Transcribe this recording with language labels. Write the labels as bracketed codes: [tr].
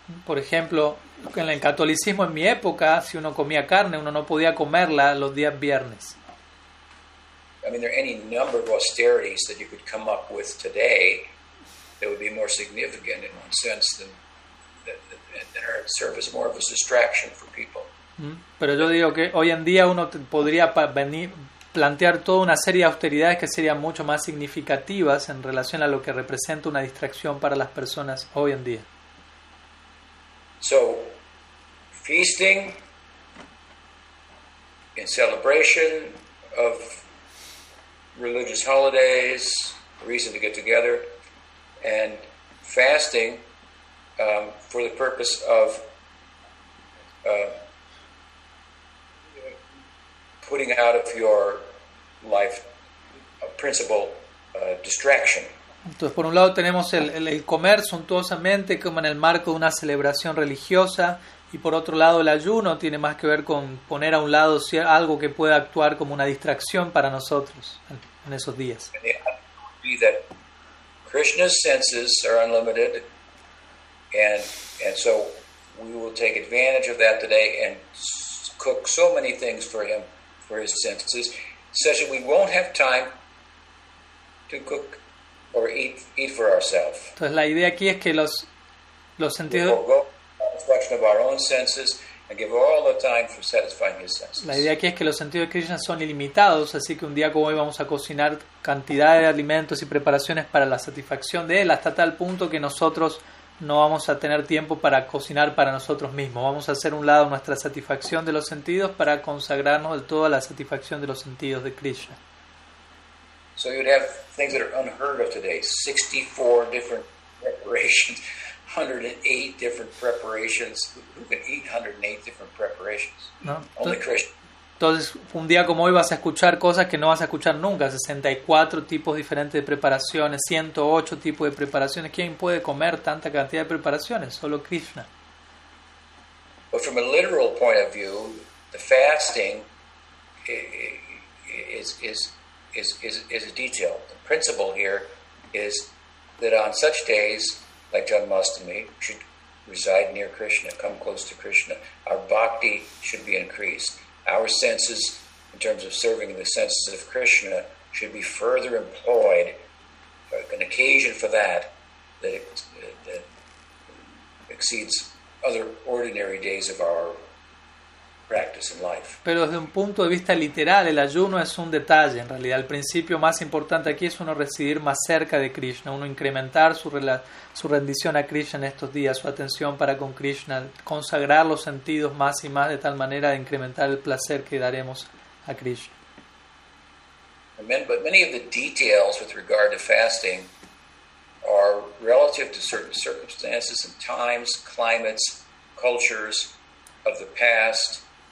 [es] Por ejemplo, en el catolicismo en mi época, si uno comía carne, uno no podía comerla los días viernes. [en] I mean, there are any number of austerities that you could come up with today that would be more significant in one sense than or serve as more of a distraction for people. [es] Pero yo digo que hoy en día uno podría venir plantear toda una serie de austeridades que serían mucho más significativas en relación a lo que representa una distracción para las personas hoy en día. [en] So, feasting in celebration of religious holidays, reason to get together, and fasting for the purpose of putting out of your life a principal distraction. [es] Entonces, por un lado tenemos el comer suntuosamente como en el marco de una celebración religiosa, y por otro lado el ayuno tiene más que ver con poner a un lado algo que pueda actuar como una distracción para nosotros en esos días. [en] And the idea would be that Krishna's senses are unlimited, and so we will take advantage of that today and cook so many things for him, for his senses, such that we won't have time to cook or eat for ourselves. [es] Entonces la idea aquí es que los sentidos. [en] We'll go to the satisfaction of our own senses and give all the time for satisfying his senses. [es] La idea aquí es que los sentidos de Krishna son ilimitados, así que un día como hoy vamos a cocinar cantidades de alimentos y preparaciones para la satisfacción de él, hasta tal punto que nosotros no vamos a tener tiempo para cocinar para nosotros mismos. Vamos a hacer un lado nuestra satisfacción de los sentidos para consagrarnos del todo a la satisfacción de los sentidos de Krishna. [en] So you'd have things that are unheard of today. 64 different preparations, 108 different preparations. Who can eat 108 different preparations? No. Only Krishna. [es] Entonces, un día como hoy vas a escuchar cosas que no vas a escuchar nunca. 64 tipos diferentes de preparaciones, 108 tipos de preparaciones. ¿Quién puede comer tanta cantidad de preparaciones? Solo Krishna. [en] But from a literal point of view, the fasting is a detail. The principle here is that on such days, like Janmastami, should reside near Krishna, come close to Krishna. Our bhakti should be increased. Our senses, in terms of serving the senses of Krishna, should be further employed. An occasion for that, that exceeds other ordinary days of our practice in life. [es] Pero desde un punto de vista literal, el ayuno es un detalle. En realidad, el principio más importante aquí es uno residir más cerca de Krishna, uno incrementar su rendición a Krishna en estos días, su atención para con Krishna, consagrar los sentidos más y más de tal manera de incrementar el placer que daremos a Krishna. [en] But many of the details with regard to fasting are relative to certain circumstances and times, climates, cultures of the past.